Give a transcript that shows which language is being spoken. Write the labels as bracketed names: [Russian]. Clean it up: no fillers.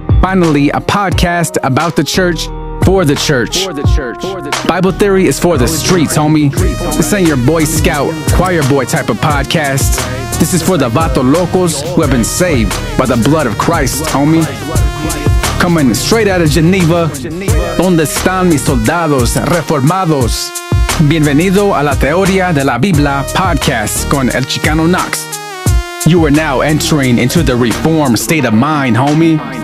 [English] Finally, a podcast about the church, for the church. Bible Theory is for the streets, homie. This ain't your Boy Scout, choir boy type of podcast. This is for the Vato Locos who have been saved by the blood of Christ, homie. Coming straight out of Geneva. [Spanish] ¿Dónde están mis soldados reformados? Bienvenido a la Teoría de la Biblia Podcast con El Chicano Knox. [English] You are now entering into the Reformed state of mind, homie.